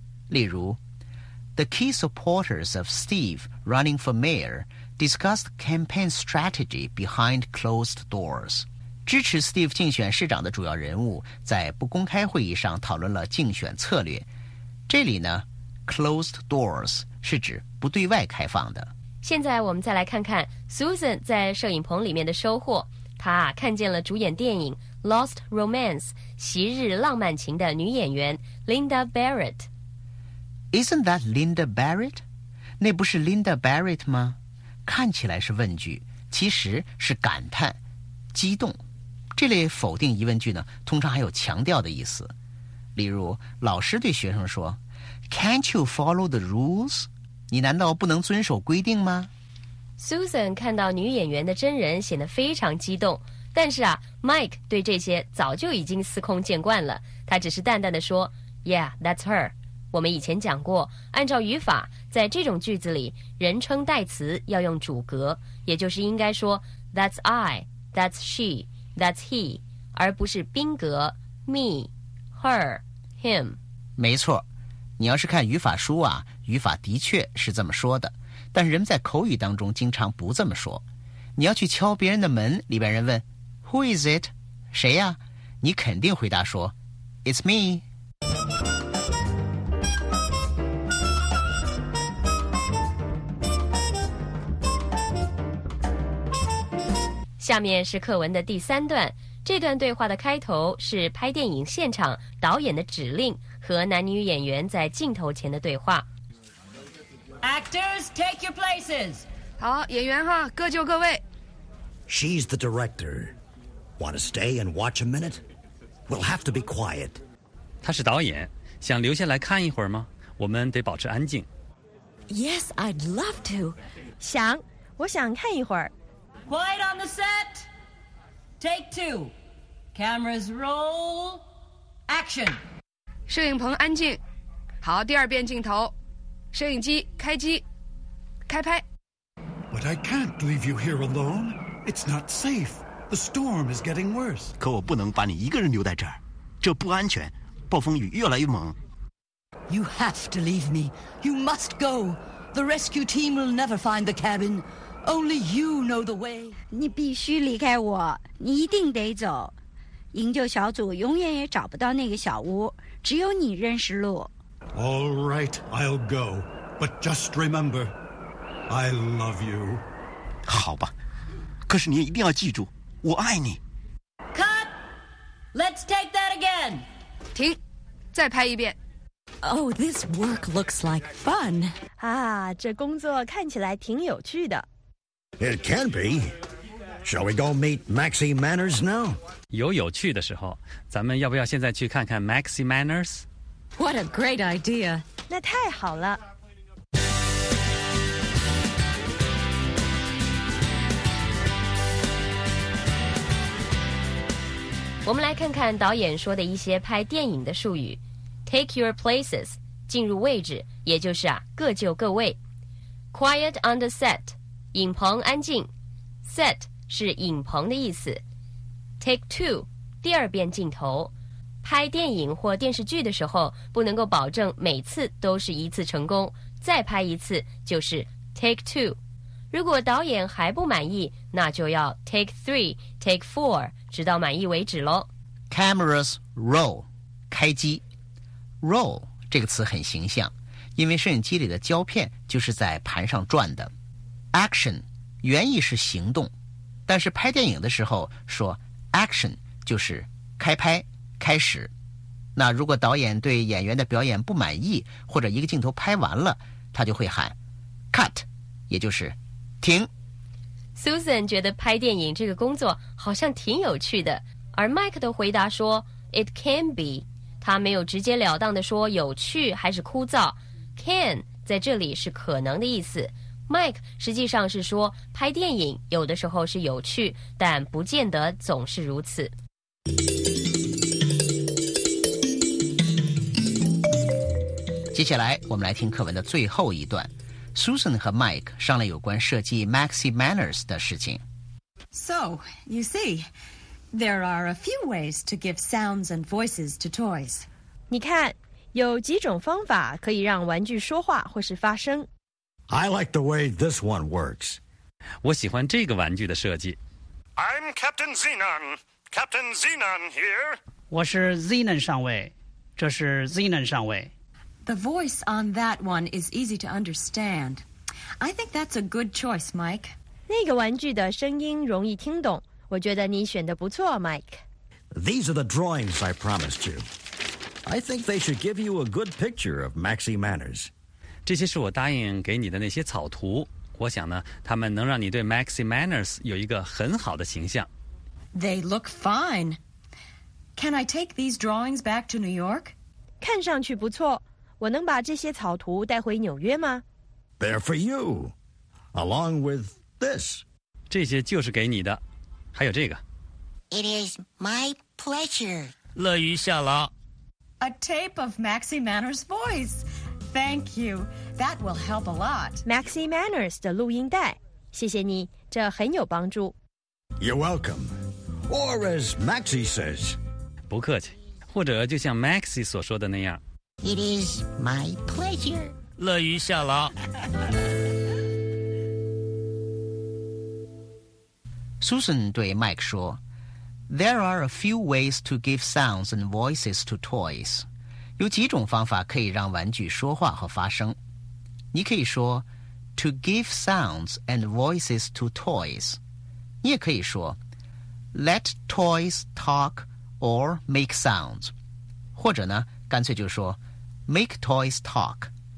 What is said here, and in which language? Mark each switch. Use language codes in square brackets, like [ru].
[zh] 例如 [en] The key supporters of Steve running for mayor discussed campaign strategy behind closed doors。 [zh] 支持 Steve 竞选市长的主要人物在不公开会议上讨论了竞选策略。这里呢 closed doors 是指不对外开放的。现在我们再来看看 Susan 在摄影棚里面的收获。她看见了主演电影 Lost Romance 昔日浪漫情的女演员 Linda Barrett。 [en] Isn't that Linda Barrett？ [zh] 那不是 Linda Barrett 吗？看起来是问句，其实是感叹激动。这类否定疑问句呢，通常还有强调的意思。例如老师对学生说 [en] Can't you follow the rules？ [zh] 你难道不能遵守规定吗？ Susan 看到女演员的真人显得非常激动，但是啊 Mike 对这些早就已经司空见惯了，他只是淡淡地说 [en] Yeah, that's her。 [zh] 我们以前讲过，按照语法，在这种句子里人称代词要用主格，也就是应该说 [en] That's I, that's she, that's he， [zh] 而不是宾格 Me, her, him。没错，你要是看语法书啊，语法的确是这么说的，但是人们在口语当中经常不这么说。你要去敲别人的门，里边人问 [en] Who is it？ [zh] 谁呀？你肯定回答说 [en] It's me。 [zh] 下面是课文的第三段，这段对话的开头是拍电影现场导演的指令和男女演员在镜头前的对话。 [en] Actors, take your places. [zh] 好，演员哈，各就各位。 [en] She's the director. Want to stay and watch a minute? We'll have to be quiet. [zh] 她是导演，想留下来看一会儿吗？我们得保持安静。 [en] Yes, I'd love to. [zh] 想，我想看一会儿。 [en] Quiet on the set. Take two. Cameras roll. Action. [zh] 摄影棚安静。好，第二遍镜头。摄影机开机，开拍。 [en] But I can't leave you here alone. It's not safe. The storm is getting worse. [zh] 可我不能把你一个人留在这儿，这不安全，暴风雨越来越猛。 [en] You have to leave me. You must go. The rescue team will never find the cabin. Only you know the way. [zh] 你必须离开我，你一定得走。营救小组永远也找不到那个小屋，只有你认识路。 [en] All right, I'll go. But just remember, I love you. [zh] 好吧，可是你一定要记住，我爱你。 [en] Cut! Let's take that again. [zh] 停，再拍一遍。 [en] Oh, this work looks like fun. [zh] 啊，这工作看起来挺有趣的。 [en] It can be. Shall we go meet Maxie Manners now? [zh] 有趣的时候，咱们要不要现在去看看 Maxie Manners? [en] What a great idea. [zh] 那太好了。我们来看看导演说的一些拍电影的术语。 [en] Take your places， [zh] 进入位置，也就是啊，各就各位。 [en] Quiet on the set， [zh] 影棚安静。 Set 是影棚的意思。 Take two， 第二遍镜头。拍电影或电视剧的时候，不能够保证每次都是一次成功，再拍一次就是 take two。如果导演还不满意，那就要 take three， take four， 直到满意为止咯。 [en] Cameras roll， [zh] 开机。 Roll 这个词很形象，因为摄影机里的胶片就是在盘上转的。 Action 原意是行动，但是拍电影的时候说 action 就是开拍开始。那如果导演对演员的表演不满意，或者一个镜头拍完了，他就会喊 cut， 也就是停。 Susan 觉得拍电影这个工作好像挺有趣的，而 Mike 的回答说 [en] it can be， [zh] 他没有直截了当的说有趣还是枯燥。 can 在这里是可能的意思， Mike 实际上是说拍电影有的时候是有趣，但不见得总是如此。接下来我们来听课文的最后一段。Susan 和 Mike 商量有关设计 Maxi Manners 的事情。 [en] So, you see, there are a few ways to give sounds and voices to toys. [zh] 你看，有几种方法可以让玩具说话或是发声。 [en] I like the way this one works. [zh] 我喜欢这个玩具的设计。 [en] I'm Captain Zenon. Captain Zenon here. [zh] 我是 Zenon 上尉，这是 Zenon 上尉。 [en] The voice on that one is easy to understand. I think that's a good choice, Mike. [zh] 那个玩具的声音容易听懂，我觉得你选的不错 ，Mike. [en] These are the drawings I promised you. I think they should give you a good picture of Maxi Manners. [zh] 这些是我答应给你的那些草图，我想呢，他们能让你对 Maxi Manners 有一个很好的形象。 [en] They look fine. Can I take these drawings back to New York? [zh] 看上去不错。我能把这些草图带回纽约吗？ [en] They're for you, along with this. [zh] 这些就是给你的，还有这个。 [en] It is my pleasure. [zh] 乐于效劳。 [en] A tape of Maxi Manners' voice. Thank you. That will help a lot. [zh] Maxi Manners 的录音带，谢谢你，这很有帮助。 [en] You're welcome. Or as Maxi says. [zh] 不客气，或者就像 Maxi 所说的那样。 [en] It is my pleasure. [zh] 乐于效劳。 [en] Susan [zh] 对 Mike 说 [en] There are a few ways to give sounds and voices to toys. [zh] 有几种方法可以让玩具说话和发声。你可以说 [en] To give sounds and voices to toys. 你也可以说 Let toys talk or make sounds. [zh] 或者呢，干脆就说 [en] Make toys talk.